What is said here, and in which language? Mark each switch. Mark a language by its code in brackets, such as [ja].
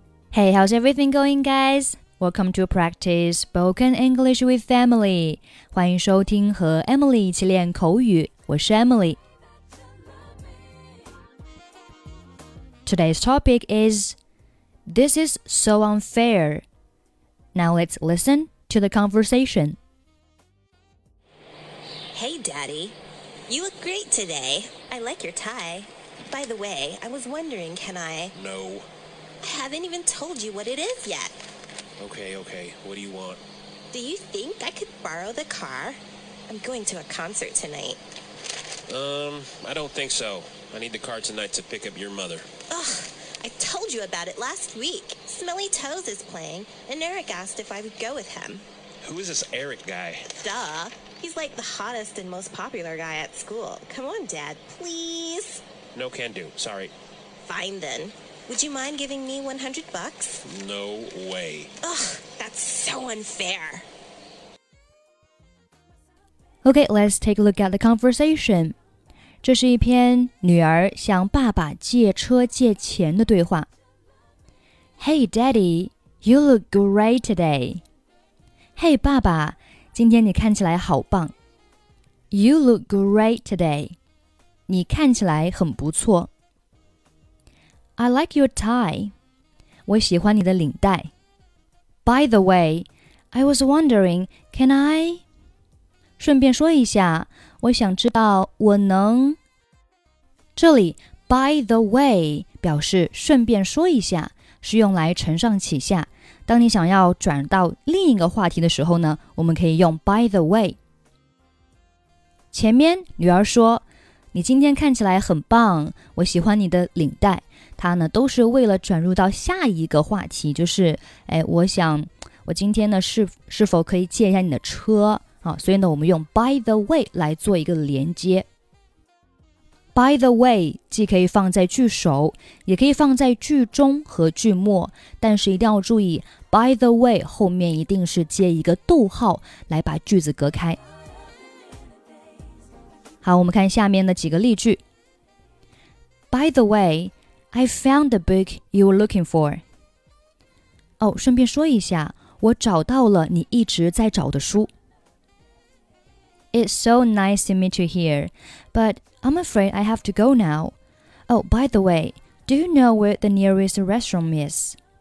[en] Hey, how's everything going, guys? Welcome to practice spoken English with Emily. [zh] 欢迎收听和 Emily 一起练口语。我是 Emily. [en] Today's topic is This is so unfair. Now let's listen to the conversation. Hey, Daddy. You look great today. I like your tie. By the way, I was wondering, can I... No. I haven't even told you what it is yet. Okay, what do you want? Do you think I could borrow the car? I'm going to a concert tonight. I don't think so. I need the car tonight to pick up your mother. Ugh, I told you about it last week. Smelly Toes is playing, and Eric asked if I would go with him. Who is this Eric guy? Duh, he's like the hottest and most popular guy at school. Come on, Dad, please. No can do, sorry. Fine then. Would you mind giving me 100 bucks? No way. Ugh, that's so unfair. Okay, let's take a look at the conversation. [zh] 这是一篇女儿向爸爸借车借钱的对话。 [en] Hey, Daddy, you look great today. [zh] Hey, 爸爸，今天你看起来好棒。 [en] You look great today. [zh] 你看起来很不错。 [en] I like your tie. [zh] 我喜欢你的领带。 [en] By the way, I was wondering, can I? [zh] 顺便说一下，我想知道我能。这里 by the way 表示顺便说一下，是用来承上启下。当你想要转到另一个话题的时候呢，我们可以用 by the way。前面女儿说，你今天看起来很棒，我喜欢你的领带。他呢都是为了转入到下一个话题，就是哎，我想我今天呢是否可以借一下你的车啊？所以呢，我们用 by the way 来做一个连接。By the way 既可以放在句首，也可以放在句中和句末，但是一定要注意 by the way 后面一定是接一个逗号来把句子隔开。好，我们看下面的几个例句。 [en] By the way. I found the book you were looking for. [zh] 哦，顺便说一下，我找到了你一直在找的书。 [en] It's so nice to meet you here, but I'm afraid I have to go now. Oh, by the way, do you know where the nearest restroom is?